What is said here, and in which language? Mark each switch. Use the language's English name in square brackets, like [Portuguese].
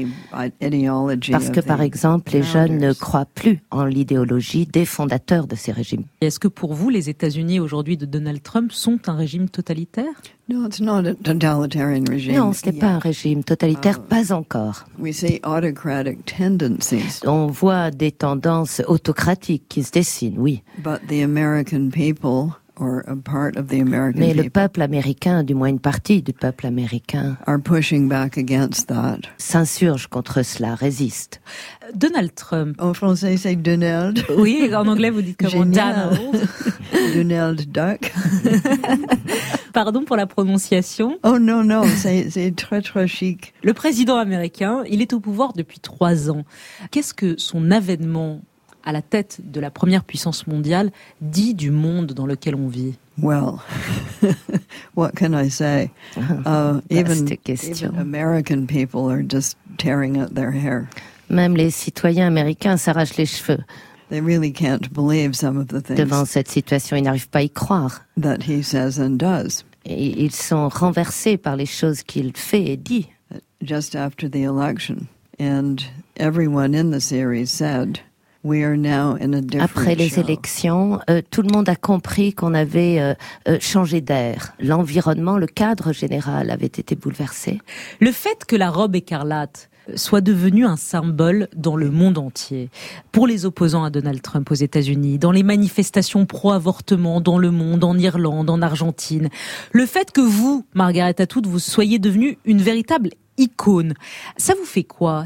[French] Parce que, par exemple, les jeunes ne croient plus en l'idéologie des fondateurs de ces régimes. Et est-ce que pour vous, les États-Unis aujourd'hui de Donald Trump sont un régime totalitaire? [English] No, it's not a totalitarian regime. [French] Non, ce n'est pas un régime totalitaire, pas encore. [English] We see autocratic tendencies. [French] On voit des tendances autocratiques qui se dessinent, oui. [English] But the American people, or a part of the American, [French] mais le peuple américain, du moins une partie du peuple américain, [English] are pushing back against that. [French] S'insurge contre cela, résiste. Donald Trump. En français, c'est Donald. Oui, en anglais, vous dites comment? Donald. Donald Duck. Pardon pour la prononciation. Oh non, c'est très très chic. Le président américain, il est au pouvoir depuis 3 ans. Qu'est-ce que son avènement à la tête de la première puissance mondiale dit du monde dans lequel on vit? [English] Well, what can I say? Even American people are just tearing out their hair. [French] Même les citoyens américains s'arrachent les cheveux. [English] They really can't believe some of the things. [French] Devant cette situation, ils n'arrivent pas à y croire. [English] That he says and does. [French] Et ils sont renversés par les choses qu'il fait et dit. [English] Just after the election, and everyone in the series said, we are now in a different [French] après les [English] show. [French] Élections, tout le monde a compris qu'on avait changé d'air. L'environnement, le cadre général avait été bouleversé. Le fait que la robe écarlate soit devenue un symbole dans le monde entier, pour les opposants à Donald Trump aux États-Unis, dans les manifestations pro-avortement dans le monde, en Irlande, en Argentine, le fait que vous, Margaret Atwood, vous soyez devenue une véritable icône, ça vous fait quoi?